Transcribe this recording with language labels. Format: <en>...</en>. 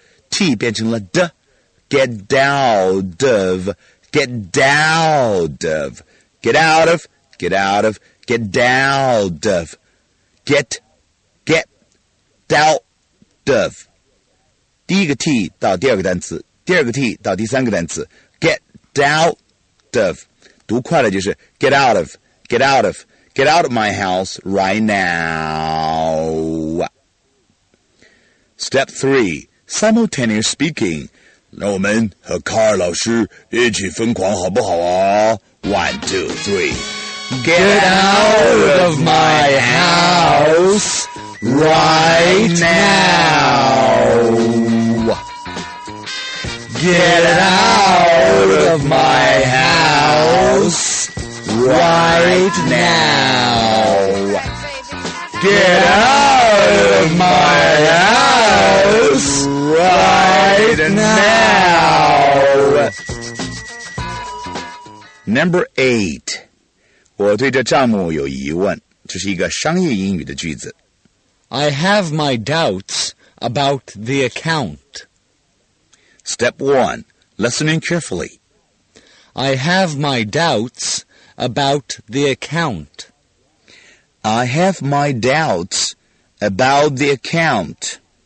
<zh>T 变成了 D, get out of, 第一个 T 到第二个单词，第二个 T 到第三个单词 get out of, 读快了就是 get out of,</zh> <en>Get out of my house right now. Step 3. Simultaneous speaking.</en> <zh>让我们和卡尔老师一起疯狂好不好啊?</zh> <en>1, 2, 3. Get out of my house right now. Get out of my house. Right now, get out of my house. Number eight.</en> <zh>我对这账目有疑问。这是一个商业英语的句子。</zh> <en>I have my doubts about the account. Step one. Listen in carefully. I have my doubts about the account. I have my doubts about the account.</en>